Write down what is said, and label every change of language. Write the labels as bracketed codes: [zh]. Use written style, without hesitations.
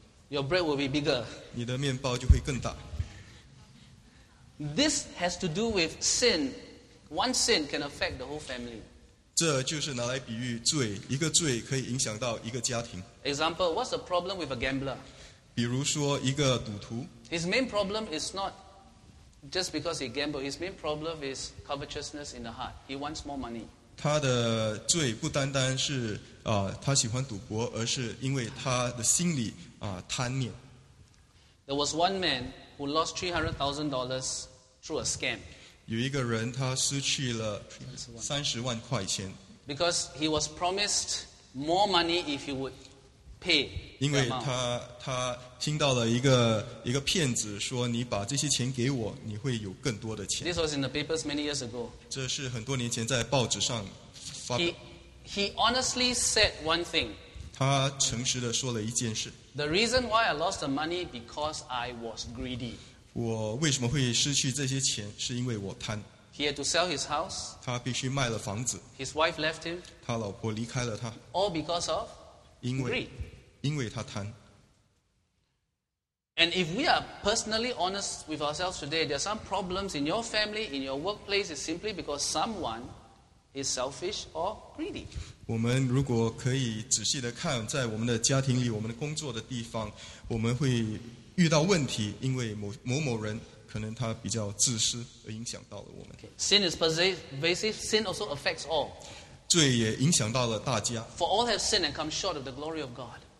[en] Your bread will be bigger. [zh] 你的面包就会更大。 [en] This has to do with sin. One sin can affect the whole family. [zh] 这就是拿来比喻罪，一个罪可以影响到一个家庭。 [en] Example, what's the problem with a gambler? [zh] 比如说一个赌徒。 [en] His main problem is not just because he gambled. His main problem is covetousness in the heart. He wants more money. [zh] 他的罪不单单是他喜欢赌博，而是因为他的心里贪念。 [en] There was one man who lost $300,000 through a scam. [zh] 有一个人他失去了30万块钱。 [en] Because he was promised more money if he would pay. [zh] 因为他听到了一个骗子说，你把这些钱给我，你会有更多的钱。 [en] This was in the papers many years ago. [zh] 这是很多年前在报纸上发表。 [en] He honestly said one thing. [zh] 他诚实地说了一件事。 [en] The reason why I lost the money because I was greedy. [zh] 我为什么会失去这些钱，是因为我贪。 [en] He had to sell his house. [zh] 他必须卖了房子。 [en] His wife left him. [zh] 他老婆离开了他。 [en] All because of greed. [zh] 因为他贪。 [en] And if we are personally honest with ourselves today, there are some problems in your family, in your workplace, is simply because someone is selfish or greedy. [zh] 我们如果可以仔细地看在我们的家庭里我们的工作的地方我们会遇到问题因为某某人 可能他比较自私而影响到了我们。Okay. [en] Sin is pervasive. Sin also affects all. [zh] 罪也影响到了大家。 [en] For all have sinned and come short of the glory of God.